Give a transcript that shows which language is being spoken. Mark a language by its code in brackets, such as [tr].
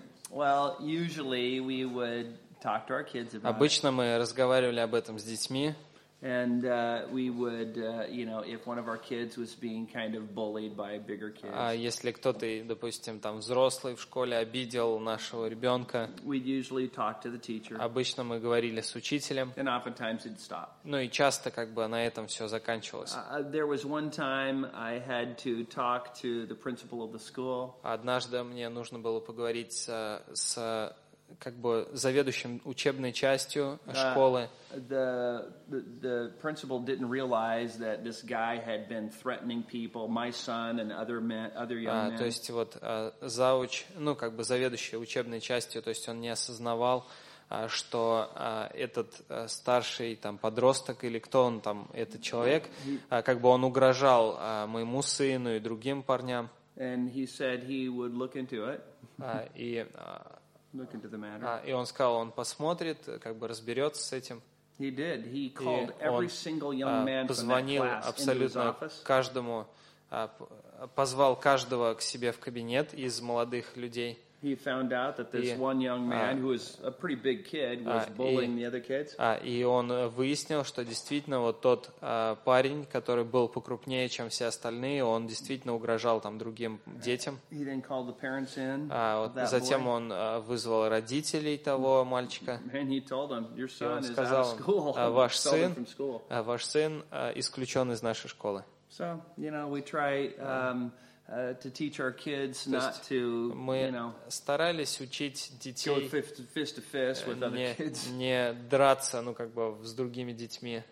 [en] Well, usually we would talk to our kids about. [ru] Обычно мы разговаривали об этом с детьми. [en] And we would, you know, if one of our kids was being kind of bullied by bigger kids. [ru] Если кто-то, допустим, там взрослый в школе обидел нашего ребенка. [en] We'd usually talk to the teacher. [ru] Обычно мы говорили с учителем. [en] And oftentimes it'd stop. [ru] Ну и часто как бы на этом все заканчивалось. [en] There was one time I had to talk to the principal of the school. [ru] Однажды мне нужно было поговорить с как бы заведующим учебной частью школы. [en] The principal didn't realize that this guy had been threatening people, my son and other young men. [ru] То есть вот завуч, ну как бы заведующий учебной частью, то есть он не осознавал, что этот старший там подросток или кто он там, этот человек, как бы он угрожал моему сыну и другим парням. [en] And he said he would look into it. Look into the matter. [ru] И он сказал, он посмотрит, как бы разберется с этим. [en] He did. He called every single young man from that class. [ru] Позвонил абсолютно каждому, позвал каждого к себе в кабинет из молодых людей. [en] He found out that this one young man who was a pretty big kid was bullying the other kids. [ru] И он выяснил, что действительно вот тот парень, который был покрупнее, чем все остальные, он действительно угрожал там другим детям. [en] He then called the parents in. [ru] Затем он вызвал родителей того мальчика. [en] And he told them, "Your son is out of school." [ru] Ваш сын исключен из нашей школы. [en] So, you know, we try to teach our kids not to, [ru] старались учить детей [en] fist to fist with other kids. [ru] Не драться, ну как бы с другими детьми.